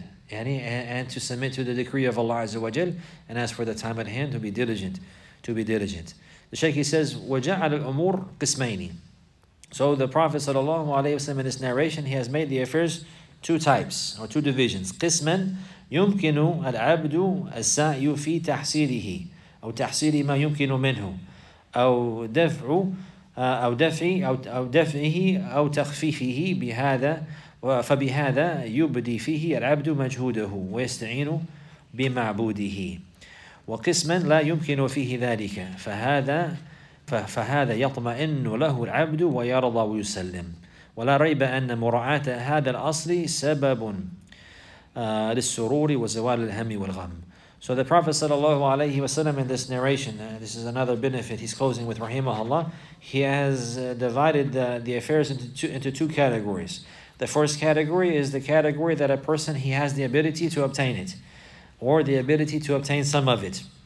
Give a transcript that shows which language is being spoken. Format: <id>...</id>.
<en>And to submit to the decree of Allah Azza wa Jal, and as for the time at hand, to be diligent. The Shaykh, he says,</en> <ar>وَجَعَلَ الْأُمُورِ قِسْمَيْنِ.</ar> <en>So the Prophet sallallahu alayhi wa sallam, in this narration, he has made the affairs two types, or two divisions.</en> <ar>قِسْمًا يُمْكِنُ الْعَبْدُ السَّعْيُ فِي تَحْصِيلِهِ أو تَحْصِيلِ مَا يُمْكِنُ مِنْهُ أو دَفْعِهِ أو تَخْفِيفِهِ بِهَذَا فبهذا يبدي فيه العبد مجهوده ويستعين بمعبوده وقسما لا يمكن فيه ذلك فهذا يطمئن له العبد ويرضى ويسلم ولا ريب أن مراعاة هذا الأصل سبب للسرور وزوال الهم والغم.</ar> <en>So the Prophet sallallahu alaihi wasallam, in this narration, this is another benefit he's closing with, rahimahullah, he has divided the affairs into two categories. The first category is the category that a person, he has the ability to obtain it, or the ability to obtain some of it.</en>